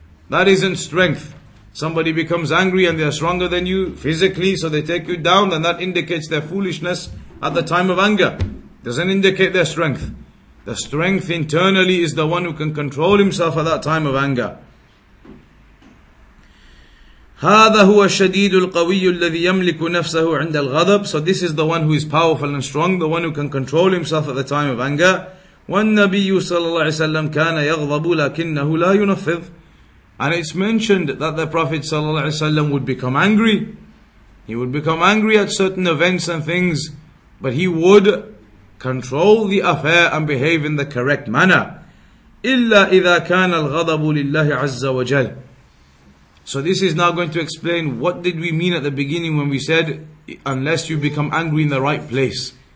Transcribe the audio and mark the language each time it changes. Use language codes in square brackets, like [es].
[en] That isn't strength. Somebody becomes angry and they're stronger than you physically, so they take you down, then that indicates their foolishness at the time of anger. Doesn't indicate their strength. The strength internally is the one who can control himself at that time of anger. [ar] هذا هو الشديد القوي الذي يملك نفسه عند الغضب. [en] So this is the one who is powerful and strong, the one who can control himself at the time of anger. [ar] والنبي صلى الله عليه وسلم كان يغضب لكنه لا ينفذ. [en] And it's mentioned that the Prophet [ar] صلى الله عليه وسلم [en] would become angry. He would become angry at certain events and things, but he would control the affair and behave in the correct manner. [ar] إِلَّا إِذَا كَانَ الْغَضَبُ لِلَّهِ عَزَّ وَجَلْ. [en] So this is now going to explain what did we mean at the beginning when we said, unless you become angry in the right place.